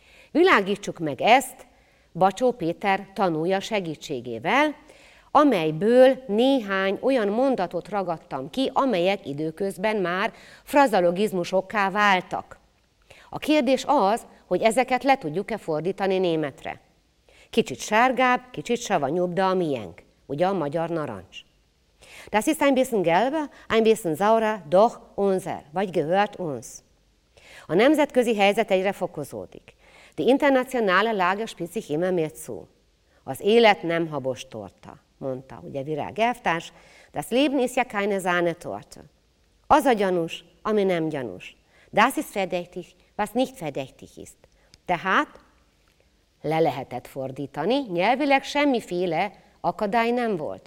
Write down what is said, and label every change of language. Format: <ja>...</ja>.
<hu>Világítsuk meg ezt Bacsó Péter tanúja segítségével, amelyből néhány olyan mondatot ragadtam ki, amelyek időközben már frazeologizmusokká váltak. A kérdés az, hogy ezeket le tudjuk-e fordítani németre. Kicsit sárgább, kicsit savanyúbb, de a miénk. Ugye a magyar narancs.</hu> <de>Das ist ein bisschen gelbe, ein bisschen saure, doch unser, vagy gehört uns.</de> <hu>A nemzetközi helyzet egyre fokozódik.</hu> <de>Die internationale Lage spitzt sich immer mehr zu.</de> <hu>Az élet nem habos torta, mondta, ugye Virág elvtárs,</hu> <de>das Leben ist ja keine Sahnetorte.</de> <hu>Az a gyanús, ami nem gyanús.</hu> <de>Das ist verdächtig, was nicht verdächtig ist.</de> <hu>Tehát le lehetett fordítani, nyelvileg semmiféle akadály nem volt.</hu>